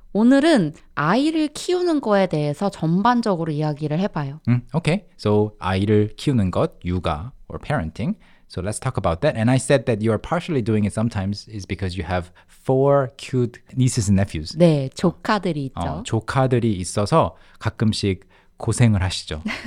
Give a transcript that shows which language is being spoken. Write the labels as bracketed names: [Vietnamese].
[Korean] 오늘은 아이를 키우는 거에 대해서 전반적으로 이야기를 해봐요. [English] Okay, so [Korean] 아이를 키우는 것, 육아 [English] or parenting. So let's talk about that. And I said that you are partially doing it sometimes is because you have four cute nieces and nephews. [Korean] 네, 조카들이 있죠. 조카들이 있어서 가끔씩 고생을 하시죠.